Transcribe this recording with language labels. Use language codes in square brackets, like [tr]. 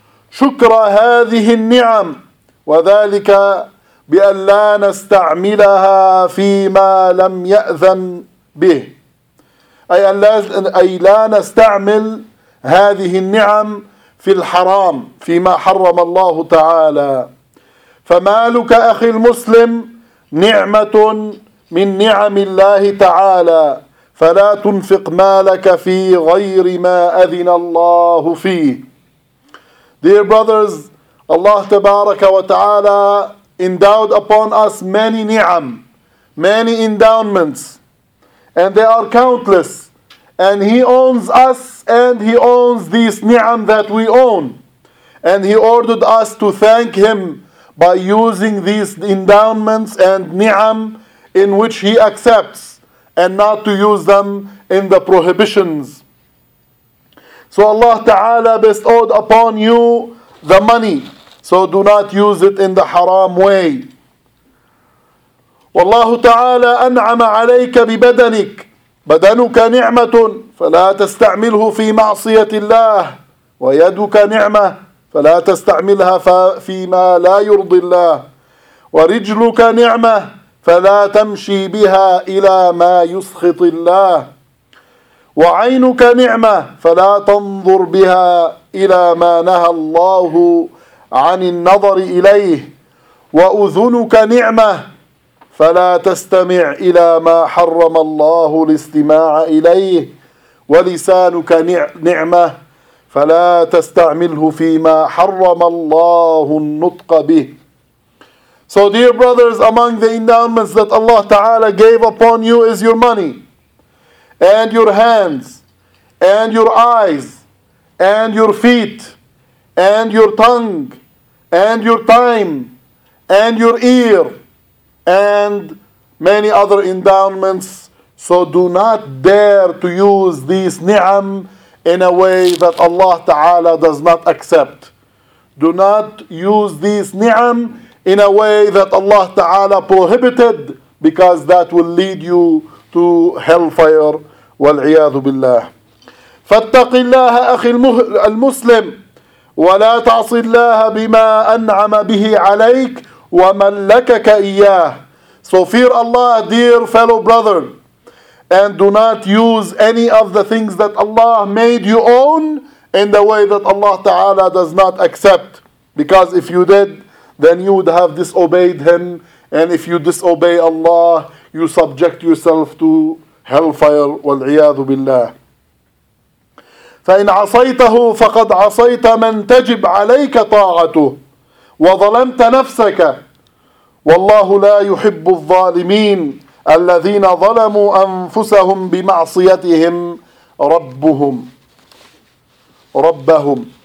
[ar] شكر هذه النعم، وذلك بأن لا نستعملها فيما لم يأذن به، أي لا نستعمل هذه النعم في الحرام، فيما حرم الله تعالى. فمالك أخي المسلم نعمة من نعم الله تعالى، فلا تنفق مالك في غير ما أذن الله فيه. [en] Dear brothers, Allah [ar] تبارك وتعالى [en] endowed upon us many ni'am, many endowments, and they are countless. And He owns us, and He owns this ni'am that we own. And He ordered us to thank Him by using these endowments and ni'am in which He accepts, and not to use them in the prohibitions. So Allah Ta'ala bestowed upon you the money, so do not use it in the haram way. [ar] والله تعالى أنعم عليك ببدنك، بدنك نعمة فلا تستعمله في معصية الله، ويدك نعمة فلا تستعملها فيما لا يرضي الله، ورجلك نعمة فلا تمشي بها إلى ما يسخط الله، وعينك نعمة فلا تنظر بها إلى ما نهى الله عن النظر إليه، وأذنك نعمة فلا تستمع إلى ما حرم الله الاستماع إليه، ولسانك نعمة فلا تستعمله فيما حرم الله النطق به. [en] So dear brothers, among the endowments that Allah Ta'ala gave upon you is your money, and your hands, and your eyes, and your feet, and your tongue, and your time, and your ear, and many other endowments. So do not dare to use these ni'am in a way that Allah Ta'ala does not accept. Do not use these ni'am in a way that Allah Ta'ala prohibited, because that will lead you to hellfire. [ar] وَالْعِيَاذُ بِاللَّهِ فَاتَّقِ اللَّهَ أَخِي الْمُسْلِمِ ولا تعص الله بما أنعم به عليك وملكك إياه. [en] So fear Allah, dear fellow brother, and do not use any of the things that Allah made you own in the way that Allah Ta'ala does not accept. Because if you did, then you would have disobeyed Him. And if you disobey Allah, you subject yourself to hellfire. [ar] وَالْعِيَاذُ بِاللَّهِ فإن عصيته فقد عصيت من تجب عليك طاعته وظلمت نفسك والله لا يحب الظالمين الذين ظلموا أنفسهم بمعصيتهم ربهم ربهم.